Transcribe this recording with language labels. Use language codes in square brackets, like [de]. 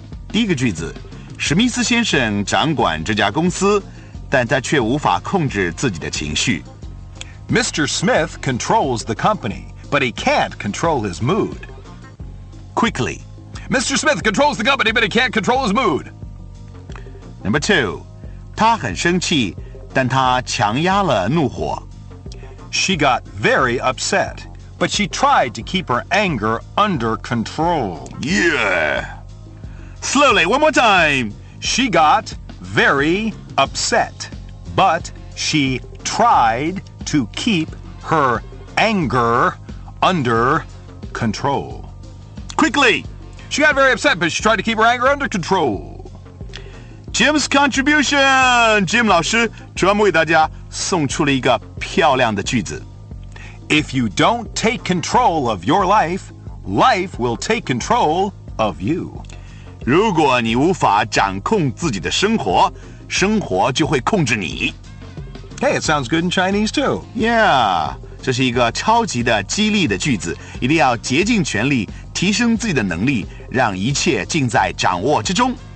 [zh] 第一个句子，史密斯先生掌管这家公司，但他却无法控制自己的情绪。 [en] Mr. Smith controls the company, but he can't control his mood. Quickly. Mr. Smith controls the company, but he can't control his mood. Number two, [zh] 他很生气，但他强压了怒火。 [en] She got very upset, but she tried to keep her anger under control. Yeah! Slowly, one more time. She got very upset, but she tried to keep her anger under control. Quickly. She got very upset, but she tried to keep her anger under control. Jim's contribution. [zh] Jim 老师专门为大家送出了一个漂亮的句子。 [en] If you don't take control of your life, life will take control of you. [zh] 如果你无法掌控自己的生活，生活就会控制你。 [en] Hey, it sounds good in Chinese too. [zh] Yeah, 这是一个超级的激励的句子，一定要竭尽全力，提升自己的能力，让一切尽在掌握之中。